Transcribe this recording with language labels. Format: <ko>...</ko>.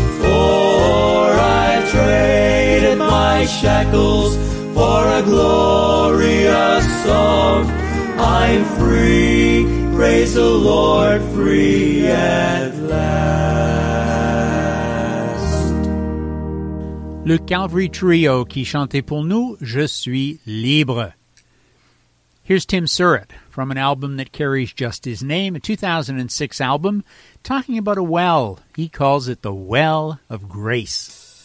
<en>For I've traded my shackles for a glorious song. I'm free, praise the Lord, free at last.</en> <fr>Le Calvary Trio qui chantait pour nous, Je suis libre.</fr> <en>Here's Tim Surratt from an album that carries just his name, a 2006 album, talking about a well. He calls it the Well of Grace.</en>